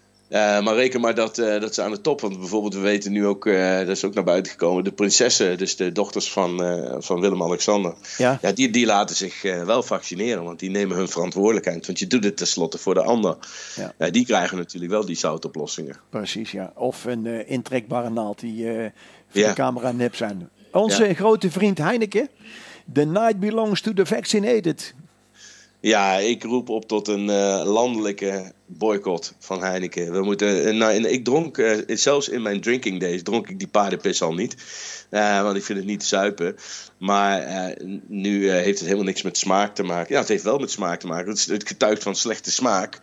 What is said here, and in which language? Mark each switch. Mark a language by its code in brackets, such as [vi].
[nl] Maar reken maar dat ze aan de top. Want bijvoorbeeld, we weten nu ook, dat is ook naar buiten gekomen, de prinsessen, dus de dochters van Willem-Alexander. Ja. Ja, die laten zich wel vaccineren, want die nemen hun verantwoordelijkheid. Want je doet het tenslotte voor de ander. Ja. Die krijgen natuurlijk wel die zoutoplossingen. Precies, ja. Of een intrekbare naald die voor de camera nep zijn. Onze grote vriend Heineken. [en] The night belongs to the vaccinated. [nl] Ja, ik roep op tot een landelijke boycott van Heineken. We moeten, ik dronk, zelfs in mijn [en] drinking days, [nl] dronk ik die paardenpis al niet. Want ik vind het niet te zuipen. Maar nu heeft het helemaal niks met smaak te maken. Ja, het heeft wel met smaak te maken. Het getuigt van slechte smaak.